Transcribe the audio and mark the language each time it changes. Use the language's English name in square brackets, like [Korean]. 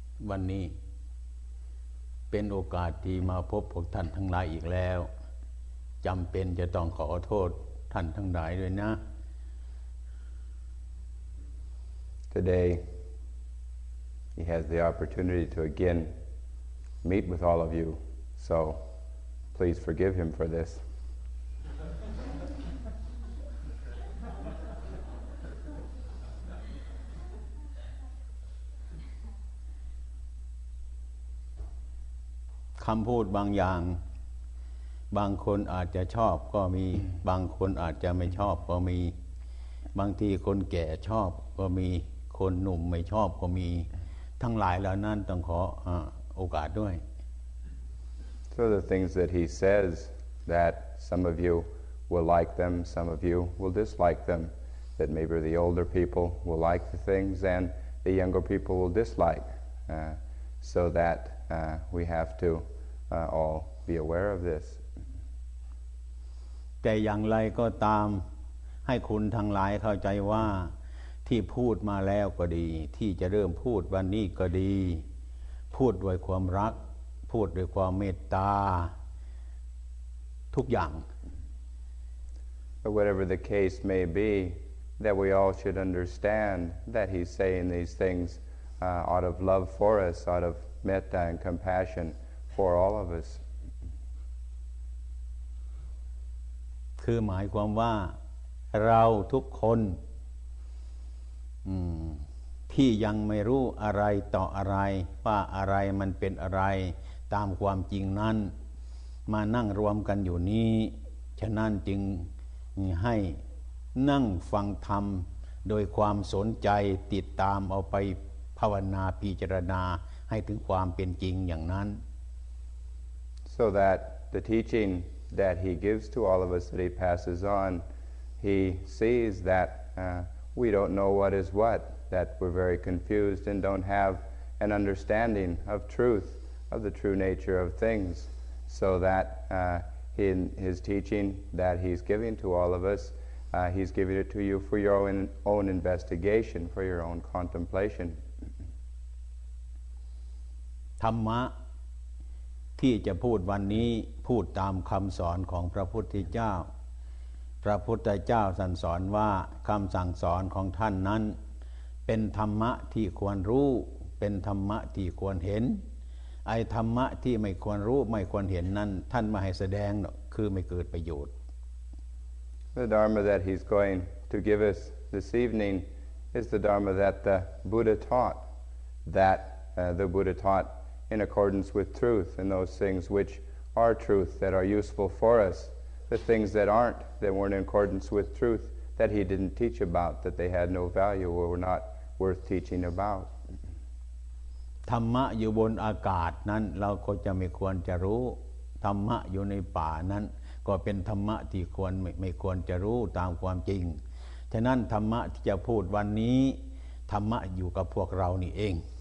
[Thai] วันนี้เป็นโอกาสที่มาพบพวกท่านทั้งหลายอีกแล้วจำเป็นจะต้องขอโทษท่านทั้งหลายด้วยนะ [English] Today he has the opportunity to again meet with all of you, so please forgive him for this. [Thai] คำพูดบางอย่างบางคนอาจจะชอบก็มีบางคนอาจจะไม่ชอบก็มีบางทีคนแก่ชอบก็มีคนหนุ่มไม่ชอบก็มีทั้งหลายเหล่านั้นต้องขอโอกาสด้วย [English] So the things that he says that some of you will like them, some of you will dislike them, that maybe the older people will like the things and the younger people will dislike, so that we have to all be aware of this. [Thai] แต่อย่างไรก็ตามให้คุณทั้งหลายเข้าใจว่าที่พูดมาแล้วก็ดีที่จะเริ่มพูดวันนี้ก็ดีพูดด้วยความรักพูดด้วยความเมตตาทุกอย่าง [English] But whatever the case may be that we all should understand that he's saying these things out of love for us out of metta and compassion for all of us [Thai] คือหมายความว่าเราทุกคนที่ยังไม่รู้อะไรต่ออะไรว่าอะไรมันเป็นอะไรตามความจริงนั้นมานั่งรวมกันอยู่นี้ฉะนั้นจึงให้นั่งฟังธรรมโดยความสนใจติดตามเอาไปภาวนาพิจารณาให้ถึงความเป็นจริงอย่างนั้น [English] So that the teaching that he gives to all of us that he passes on he sees that we don't know what is what, that we're very confused and don't have an understanding of truth, of the true nature of things. So that in his teaching that he's giving to all of us, he's giving it to you for your own investigation, for your own contemplation. [Thai] ธรรมะที่จะพูดวันนี้พูดตามคำสอนของพระพุทธเจ้าพระพุทธเจ้าสั่งสอนว่าคำสั่งสอนของท่านนั้นเป็นธรรมะที่ควรรู้เป็นธรรมะที่ควรเห็นไอ้ธรรมะที่ไม่ควรรู้ไม่ควรเห็นนั้นท่านไม่ให้แสดงคือไม่เกิดประโยชน์ [English] The dharma that he's going to give us this evening is the dharma that the Buddha taught that the Buddha taught in accordance with truth and those things which are truth that are useful for usthe things that aren't, that weren't in accordance with truth, that he didn't teach about, that they had no value or were not worth teaching about. [Thai] ธรรมะอยู่บนอากาศนั้นเราก็จะไม่ควรจะรู้ธรรมะอยู่ในป่านั้นก็เป็นธรรมะที่ควรไม่ควรจะรู้ตามความจริงฉะนั้นธรรมะที่จะพูดวันนี้ธรรมะอยู่กับพวกเรานี่เอง